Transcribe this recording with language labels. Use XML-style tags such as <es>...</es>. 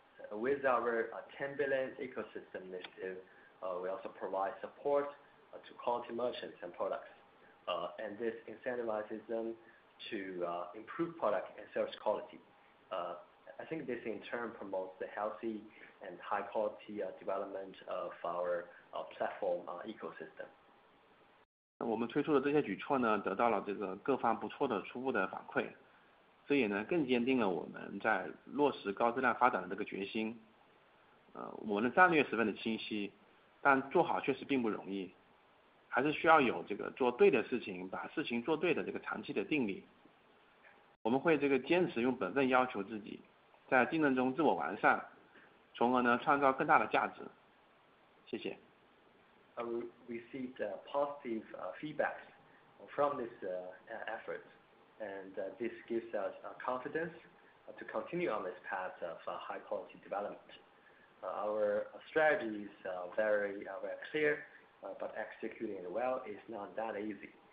<en>So with our 10 billion ecosystem initiative, we also provide support to quality merchants and products. And this incentivizes them to improve product and service quality. I think this in turn promotes the healthy and high quality development of our platform ecosystem.</en> <zh>那我们推出的这些举措呢，得到了这个各方不错的初步的反馈，这也呢更坚定了我们在落实高质量发展的这个决心。我们的战略十分的清晰，但做好确实并不容易，还是需要有这个做对的事情，把事情做对的这个长期的定力。我们会这个坚持用本分要求自己，在竞争中自我完善，从而呢创造更大的价值。谢谢。</zh> <en>We received positive feedback from this effort, and this gives us confidence to continue on this path of high quality development. Our strategy is very clear, but executing it well is not that easy.</en>